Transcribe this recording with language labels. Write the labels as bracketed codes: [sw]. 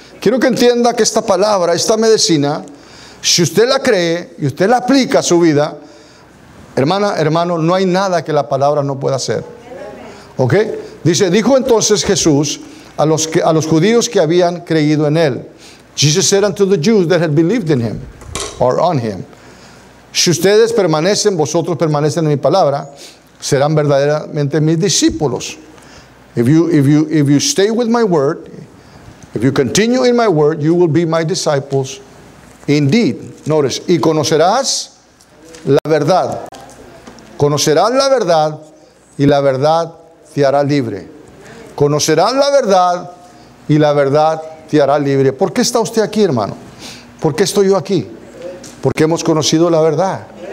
[es] Quiero que entienda que esta palabra, esta medicina, si usted la cree y usted la aplica a su vida, hermana, hermano, no hay nada que la palabra no pueda hacer. ¿Ok? Dice, dijo entonces Jesús a los judíos que habían creído en Él. [en] Jesus said unto the Jews that had believed in Him, or on Him. [es] Si ustedes permanecen, vosotros permanecen en mi palabra, serán verdaderamente mis discípulos. [en] If you stay with my word, if you continue in my word, you will be my disciples indeed. Notice, [es] y conocerás la verdad. Conocerás la verdad y la verdad te hará libre. Conocerás la verdad y la verdad te hará libre. ¿Por qué está usted aquí, hermano? ¿Por qué estoy yo aquí? Porque hemos conocido la verdad.